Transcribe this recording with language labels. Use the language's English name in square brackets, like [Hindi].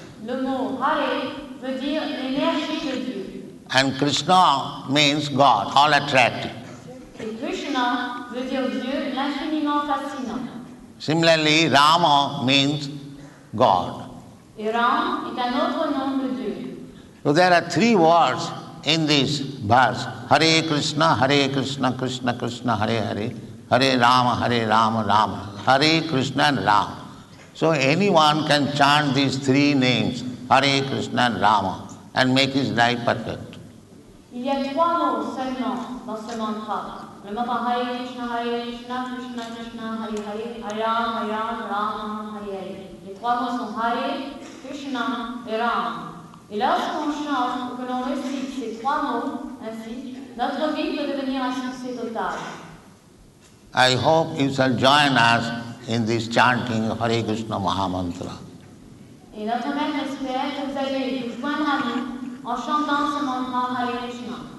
[French] Le mot Hare veut dire l'énergie de Dieu. [English] And Krishna means God, all attractive. [French] Et Krishna veut dire Dieu, l'infiniment fascinant. [English] Similarly, Rama means God. Et Ram est un autre nom de Dieu. So there are three words in this verse. Hare Krishna, Hare Krishna, Krishna Krishna, Hare Hare. Hare Rama, Hare Rama, Rama. Hare Krishna and Rama. So anyone can chant these three names, Hare Krishna and Rama, and make his life perfect. [French] Il y a trois mots seulement dans ce mantra. Le mantra Hare Krishna, Hare Krishna, Krishna Krishna, Hare Hare, Hare Rama, Hare Rama, Rama, Hare Hare. Les trois mots sont Hare, Krishna et Rama. Et lorsqu'on chante ou que l'on récite ces trois mots ainsi, notre vie peut devenir un succès total. [English] I hope you shall join us in this chanting of Hare Krishna Maha Mantra. [French] Et notre mère espère que vous allez vous joindre à nous en chantant ce mantra Hare Krishna.